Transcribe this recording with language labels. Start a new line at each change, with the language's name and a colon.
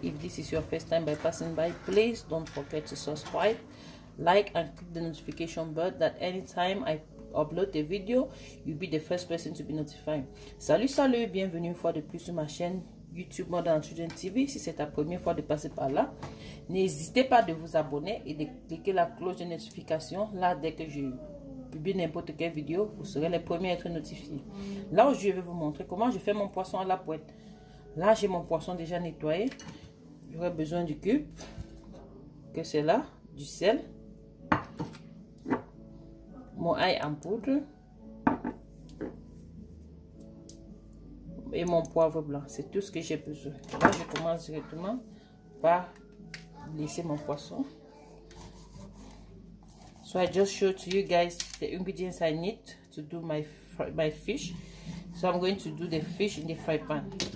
English: If this is your first time by passing by, please don't forget to subscribe, like, and click the notification bell that anytime I upload a video, you'll be the first person to be notified.
French: Salut, salut, bienvenue une fois de plus sur ma chaîne YouTube Modern Student TV. Si c'est ta première fois de passer par là, n'hésitez pas de vous abonner et de cliquer la cloche de notification. Là, dès que je publie n'importe quelle vidéo, vous serez les premiers à être notifiés. Là, je vais vous montrer comment je fais mon poisson à la poêle. Là, j'ai mon poisson déjà nettoyé. J'aurai besoin du cube, que c'est là, du sel, mon ail en poudre et mon poivre blanc. C'est tout ce que j'ai besoin. Là, je commence directement par laisser mon poisson.
English: So I just show to you guys the ingredients I need to do my fish. So I'm going to do the fish in the fry pan.